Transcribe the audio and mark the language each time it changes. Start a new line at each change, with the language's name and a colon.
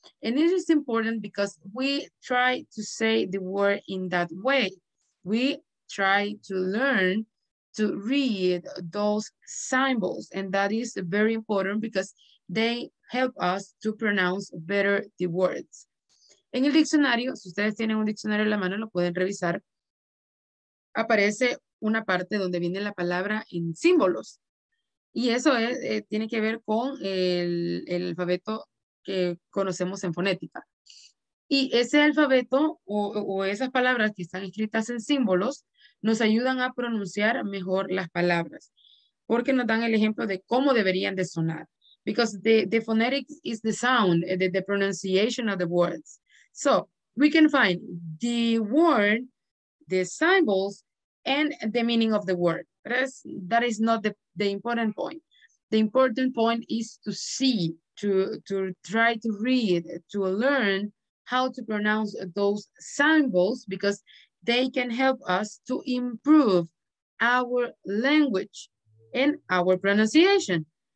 English: And it is important because we try to say the word in that way. We try to learn to read those symbols. And that is very important because they help us to pronounce better the words.
Spanish: En el diccionario, si ustedes tienen un diccionario en la mano, lo pueden revisar. Aparece una parte donde viene la palabra en símbolos. Y eso es, tiene que ver con el alfabeto que conocemos en fonética. Y ese alfabeto o esas palabras que están escritas en símbolos nos ayudan a pronunciar mejor las palabras, porque nos dan el ejemplo de cómo deberían de sonar.
English: Because the phonetics is the sound, the pronunciation of the words. So we can find the word, the symbols, and the meaning of the word. That is not the important point. The important point is to see, to try to read, to learn how to pronounce those symbols, because they can help us to improve our language and our pronunciation.